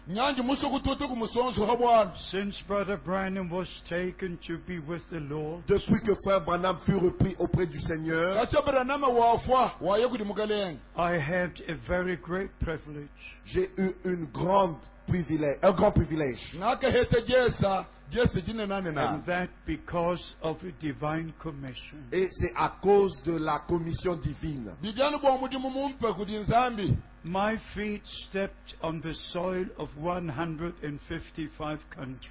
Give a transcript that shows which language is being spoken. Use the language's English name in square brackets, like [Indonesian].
[English] Since Brother Branham was taken to be with the Lord, [French] depuis que Frère Branham fut repris auprès du Seigneur, [English] I had a very great privilege. [French] J'ai eu un grand privilège. [English] And that because of a divine commission. [French] Et c'est à cause de la commission divine. [English] My feet stepped on the soil of 155 countries.